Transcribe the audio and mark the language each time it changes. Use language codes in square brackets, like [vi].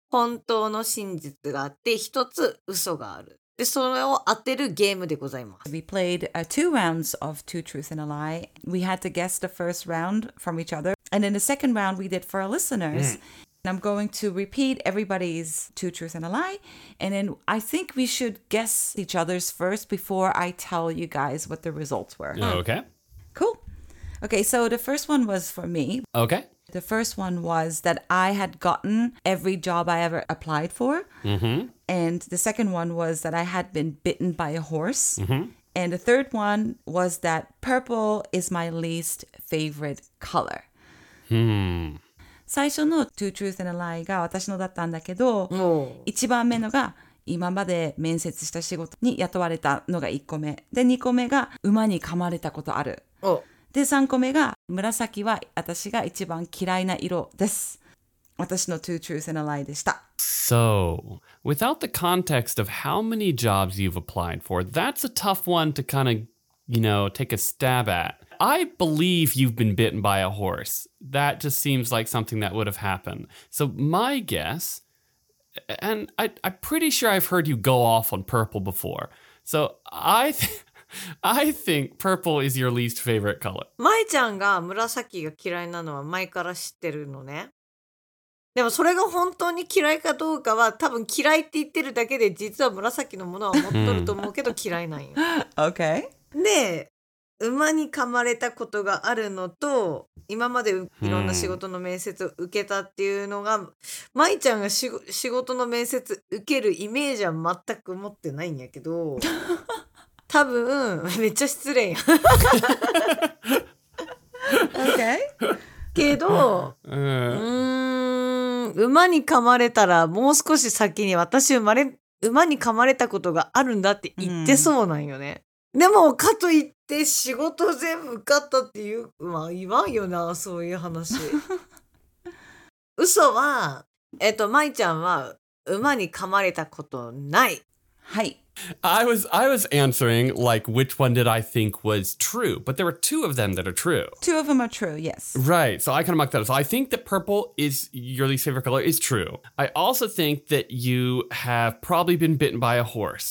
[ja] 本当の真実があって一つ嘘がある。で、それを当てるゲームでございます。 [en] We played two rounds of Two Truths and a Lie. We had to guess the first round from each other. And in the second round, we did for our listeners.、Mm. And I'm going to repeat everybody's Two Truths and a Lie. And then I think we should guess each other's first before I tell you guys what the results were. Okay. Cool. Okay, so the first one was for me. Okay. The first one was that I had gotten every job I ever applied for.、 Mm-hmm. And the second one was that I had been bitten by a horse.、 Mm-hmm. And the third one was that purple is my least favorite color. Hmm. [ja] 最初の Two Truths and a Lie が私のだったんだけど、 oh. 一番目のが今まで面接した仕事に雇われたのが1個目。で、2個目が馬に噛まれたことある。 Oh. で、3個目が、紫は私が一番嫌いな色です。私の Two Truths and a Lie でした。 [en] So, without the context of how many jobs you've applied for, that's a tough one to kind of, you know, take a stab at. I believe you've been bitten by a horse. That just seems like something that would have happened. So, my guess, and I'm pretty sure I've heard you go off on purple before. So, I think purple is your least favorite color. [ja] Mai ちゃんが紫が嫌いなのは前から知ってるのね。でもそれが本当に嫌いかどうかは多分嫌いって言ってるだけで実は紫のものは持っとると思うけど嫌いなんよ。 [en] Okay. [ja] で、馬に噛まれたことがあるのと今までいろんな仕事の面接を受けたっていうのが舞ちゃんが仕事の面接受けるイメージは全く持ってないんやけど。多分、めっちゃ失礼やん。 [en] okay? [ja] けど、馬に噛まれたらもう少し先に私馬に噛まれたことがあるんだって言ってそうなんよね。うん、でも、かといって仕事全部受かったっていう、まあ言わんよな、そういう話。嘘は、舞ちゃんは馬に噛まれたことない。はい。 [en] I was answering like which one did I think was true, but there were two of them that are true. Two of them are true, yes. Right, so I kind of mucked that up. So I think that purple is your least favorite color is true. I also think that you have probably been bitten by a horse.